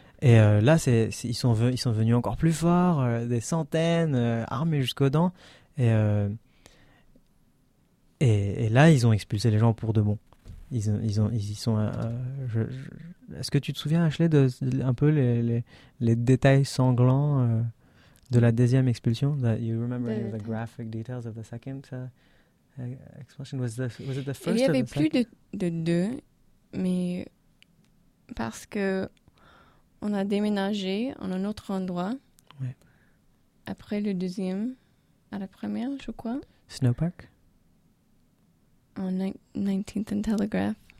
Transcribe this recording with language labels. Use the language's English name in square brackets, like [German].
[French] Et là, ils sont venus encore plus fort, des centaines, armés jusqu'aux dents. Et là, ils ont expulsé les gens pour de bon. Est-ce que tu te souviens, Ashley, de un peu les détails sanglants de la deuxième expulsion? [English] You remember the graphic details of the second expulsion? Was it the first? [French] Il y avait plus de deux, mais parce que on a déménagé en un autre endroit après le deuxième, à la première, je crois. Snowpark. En 19th and Telegraph.